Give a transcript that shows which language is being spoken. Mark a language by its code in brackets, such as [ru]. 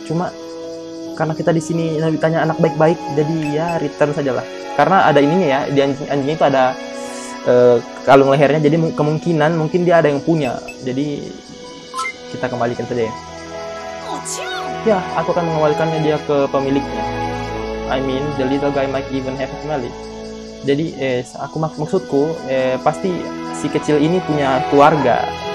[id] Cuma karena kita di sini Nabi tanya anak baik-baik, jadi ya return sajalah. Karena ada ininya ya, di anjingnya itu ada kalung lehernya, jadi kemungkinan mungkin dia ada yang punya. Jadi kita kembalikan saja ya. Ya, aku akan mengembalikannya dia ke pemiliknya. [en] I mean, the little guy might even have a family. [id] Jadi, aku maksudku, pasti si kecil ini punya keluarga.